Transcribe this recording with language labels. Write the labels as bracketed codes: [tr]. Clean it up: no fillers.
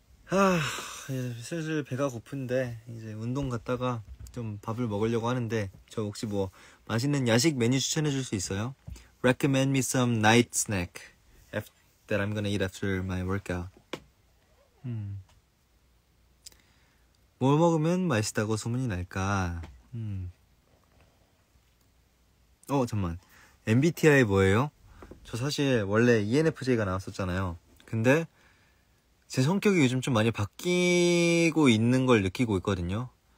[ko] 아 슬슬 배가 고픈데 이제 운동 갔다가 좀 밥을 먹으려고 하는데 저 혹시 뭐 맛있는 야식 메뉴 추천해 줄 수 있어요? [en] Recommend me some night snack that I'm gonna eat after my workout. [ko] 뭘 먹으면 맛있다고 소문이 날까? 잠만. MBTI 뭐예요? 저 사실 원래 ENFJ가 나왔었잖아요. 근데 제 성격이 요즘 좀 많이 바뀌고 있는 걸 느끼고 있거든요.